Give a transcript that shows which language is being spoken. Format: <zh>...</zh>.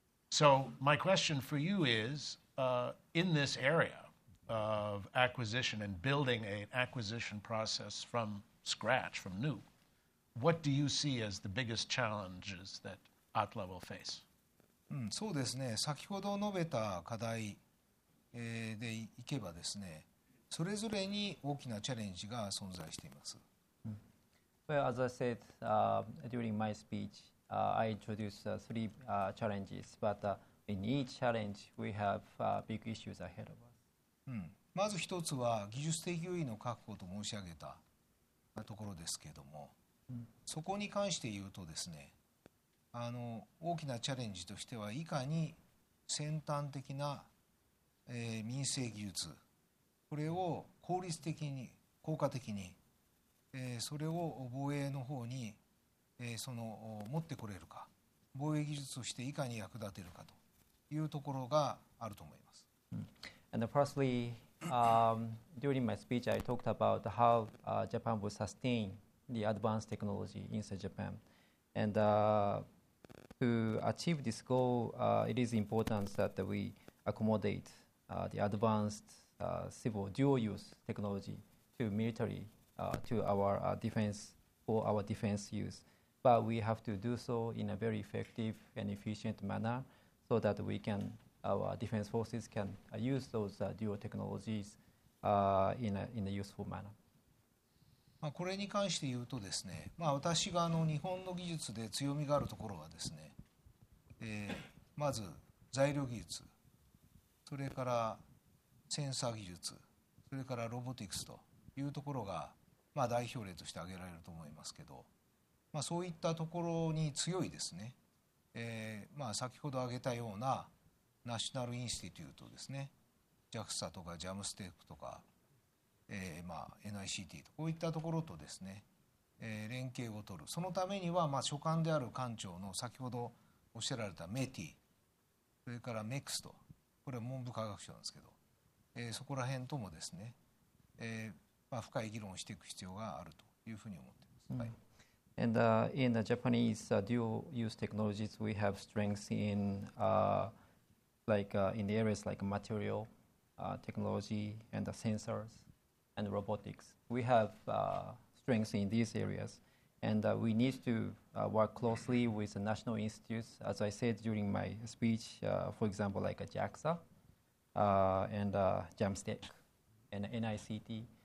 <en>So my question for you is, in this area of acquisition and building an acquisition process from scratch, from new, what do you see as the biggest challenges that ATLA will face?</en> <ja>そうですね。先ほど述べた課題でいけばですね、それぞれに大きなチャレンジが存在しています。</ja> <en>Well, as I said during my speech, I introduced three challenges, but in each challenge, we have big issues ahead of us.</en> <ja>まず一つは技術的優位の確保と申し上げたところですけれども、そこに関して言うとですね、大きなチャレンジとしてはいかに先端的な、民生技術、これを効率的に効果的に、それを防衛の方に、その持ってこれるか、防衛技術としていかに役立てるかというところがあると思います。</ja> <en>And firstly, during my speech, I talked about how Japan will sustain the advanced technology inside Japan. And to achieve this goal, it is important that we accommodate the advanced civil dual-use technology to military, to our defense, for our defense use. But we have to do so in a very effective and efficient manner so that we can our defense forces can use those dual technologies in a useful manner.</en> <ja>まあこれに関して言うとですね、まあ私が日本の技術で強みがあるところはですね、まず材料技術、それからセンサー技術、それからロボティクスというところが、まあ代表例として挙げられると思いますけど、まあそういったところに強いですね、まあ先ほど挙げたようなナショナルインスティテュートですね、JAXA とか JAMSTEC とか、まあ、NICT とこういったところとですね、連携を取る。そのためには、まあ、所管である官庁の先ほどおっしゃられたMETI、それからMEXと、これは文部科学省なんですけど、そこら辺ともですね、まあ、深い議論をしていく必要があるというふうに思っています。はい。</ja> <en>And in the Japanese dual-use technologies, we have strengths in like in the areas like material technology and the sensors. and robotics. We have strengths in these areas, and we need to work closely with the national institutes, as I said during my speech, for example, like a JAXA and JAMSTEC and NICT.</en>